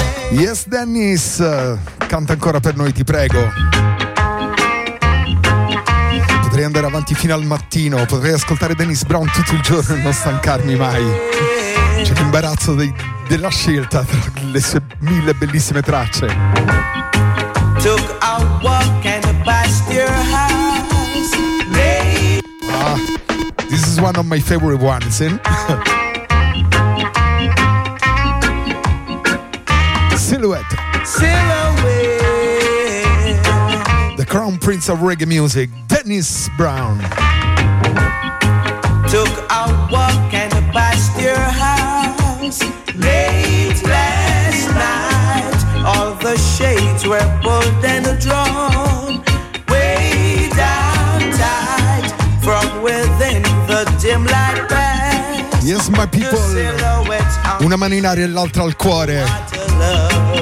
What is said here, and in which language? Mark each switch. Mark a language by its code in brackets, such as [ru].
[it] Yes, Dennis, canta ancora per noi, ti prego. Potrei andare avanti fino al mattino, potrei ascoltare Dennis Brown tutto il giorno e non stancarmi mai. C'è l'imbarazzo della scelta tra le sue mille bellissime tracce. [en] Took a walk and passed your house. Ah, this is one of my favorite ones, eh? Silhouette. Silhouette. The Crown Prince of Reggae Music. Dennis Brown. Took a walk and passed your house late last night. All the shades were pulled and drawn way down tight. From within the dim light passed. Yes, my people. [it] Una mano in aria e l'altra al cuore.